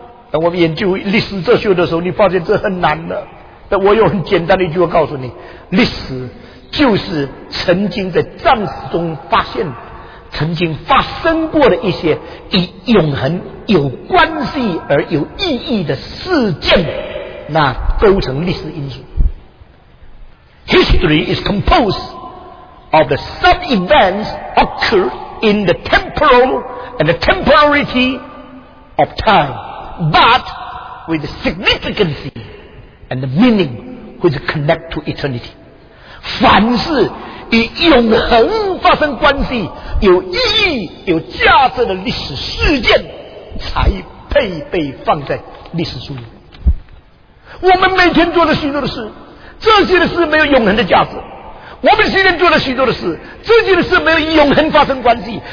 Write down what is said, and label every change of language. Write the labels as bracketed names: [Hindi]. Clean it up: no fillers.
[Chinese] 当我们研究历史哲学的时候，你发现这很难的。但我用很简单的一句话告诉你，历史就是曾经在暂时中发现曾经发生过的一些与永恒有关系而有意义的事件，那构成历史因素。 [English] History is composed of the sub events occurred in the temporal and the temporality of time but with the significancyAnd the meaning which connect to eternity. [Chinese] 凡是与永恒发生关系、有意义、有价值的历史事件，才配被放在历史书里。我们每天做的许多的事，这些的事没有永恒的价值；我们今天做的许多的事，这些的事没有永恒发生关系。